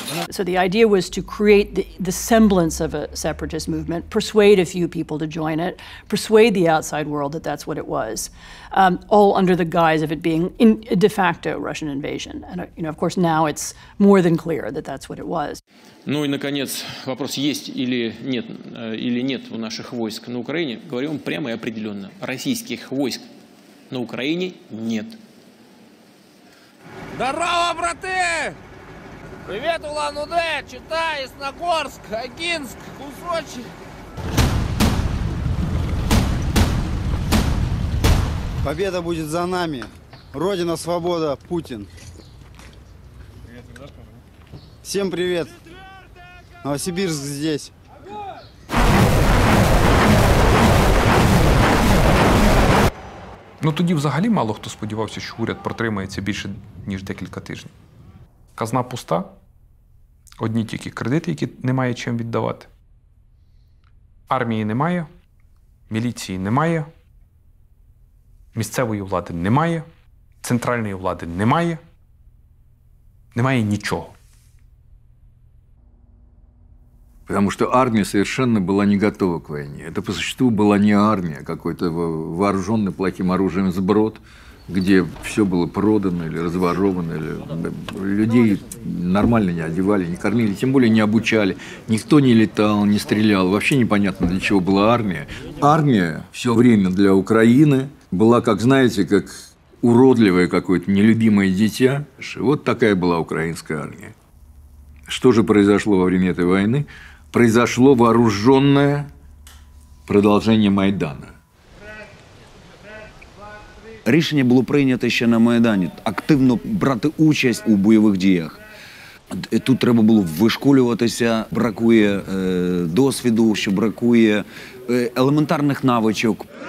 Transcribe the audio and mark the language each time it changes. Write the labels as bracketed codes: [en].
[en] So the idea was to create the semblance of a separatist movement, persuade a few people to join it, persuade the outside world that that's what it was, all under the guise of it being in a de facto Russian invasion. And, you know, of course, now it's more than clear that that's what it was. [ru] Ну и, наконец, вопрос, есть или нет у наших войск на Украине. Говорю вам прямо и определенно. Российских войск на Украине нет. Здорово, браты! Привет, Улан-Удэ, Читай, Ясногорск, Агинск, Кусочи. Победа будет за нами. Родина, свобода, Путин. Всем привет. Новосибирск здесь. [uk] Ну, тоді взагалі мало хто сподівався, що уряд протримається більше, ніж декілька тижнів. Казна пуста, одні тільки кредити, які немає чим віддавати. Армії немає, міліції немає, місцевої влади немає, центральної влади немає, немає нічого. [ru] Потому что армия совершенно была не готова к войне. Это по существу была не армия, а какой-то вооруженный плохим оружием сброд, где все было продано или разворовано, или людей нормально не одевали, не кормили, тем более не обучали. Никто не летал, не стрелял. Вообще непонятно, для чего была армия. Армия все время для Украины была, как знаете, как уродливое какое-то нелюбимое дитя. Вот такая была украинская армия. Что же произошло во время этой войны? Произошло вооруженное продолжение Майдана. [uk] Рішення було прийнято ще на Майдані – активно брати участь у бойових діях. Тут треба було вишколюватися, бракує досвіду, що бракує елементарних навичок.